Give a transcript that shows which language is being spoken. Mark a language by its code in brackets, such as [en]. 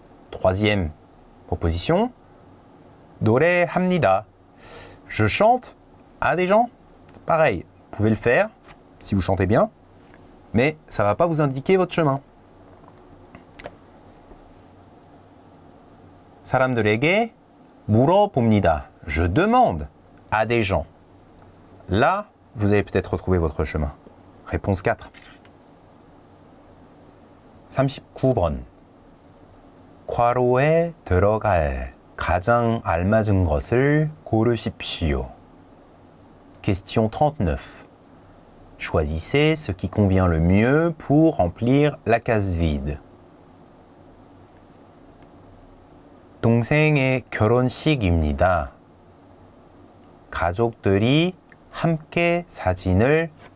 [fr] Troisième proposition. [ko] 노래합니다. [fr] Je chante à des gens. Pareil, vous pouvez le faire si vous chantez bien, mais ça ne va pas vous indiquer votre chemin. [ko] 사람들에게 물어봅니다. [fr] Je demande à des gens. Là, vous allez peut-être retrouver votre chemin. Réponse 4. [ko] 39번. 과로에 들어갈 가장 알맞은 것을 고르십시오. [fr] Question 39. Choisissez ce qui convient le mieux pour remplir la case vide. [ko] 동생의 결혼식입니다. 가족들이 함께 사진을